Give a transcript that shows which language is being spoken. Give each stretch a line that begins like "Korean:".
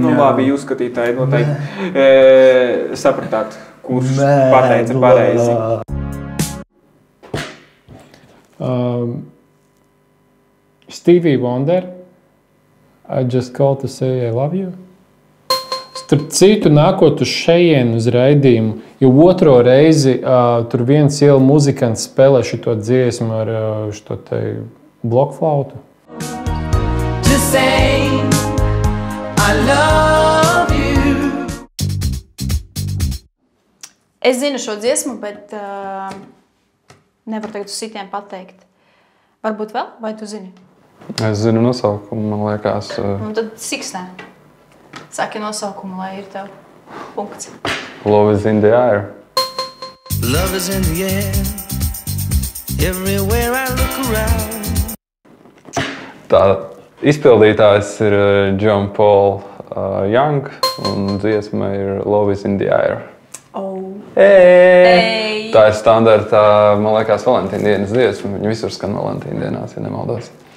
Latvian: Nu, labi, jūs skatītāji noteikti sapratāt, kurš pateica pareizi.
English: Stevie Wonder, I just call to say I love you.
Latvian: Starp citu, nākot uz šejienu uz raidījumu, jo otro reizi tur viens ielu muzikants spēlē šito dziesmu ar šito te blokflautu.
English: To say I love you.
Latvian: Es zinu šo dziesmu, bet nevaru tagad uz citiem pateikt. Varbūt vēl? Vai tu zini? Es zinu nosaukumu, man liekas. Un tad siksnē. Saki nosaukumu, lai ir tev punkts.
English: Love is in the air. Love is in the air. Everywhere I look around.
Latvian: Tā izpildītājs ir John Paul Young. Un dziesma ir Love is in the air. Oh. Tā ir standarta, man liekas, Valentīna dienas dziesma. Viņa visur skan Valentīna dienās, ja nemaldos.